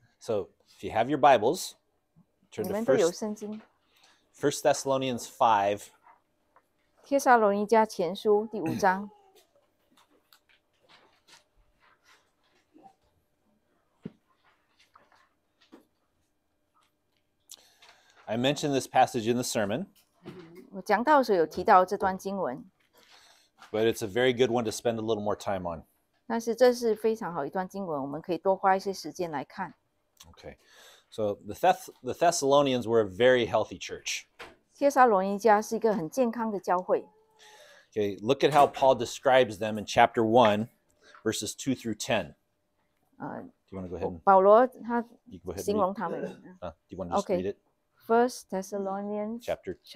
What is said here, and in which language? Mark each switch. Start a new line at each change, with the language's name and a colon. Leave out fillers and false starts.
English: So if you have your Bibles, turn to 1 Thessalonians 5.
Chinese: 帖撒罗尼迦前书第五章。
English: I mentioned this passage in the sermon.
Chinese: 我讲到的时候有提到这段经文。
English: But it's a very good one to spend a little more time on.
Chinese: 但是这是非常好一段经文，我们可以多花一些时间来看。
English: Okay, so the Thessalonians were a very healthy church.
Chinese: 帖撒罗尼迦是一个很健康的教会。
English: Okay, look at how Paul describes them in chapter 1, verses 2 through 10. Do you want to go ahead?
Chinese: 保罗他形容他们。
English: Do you want to just read it? 1 Thessalonians chapter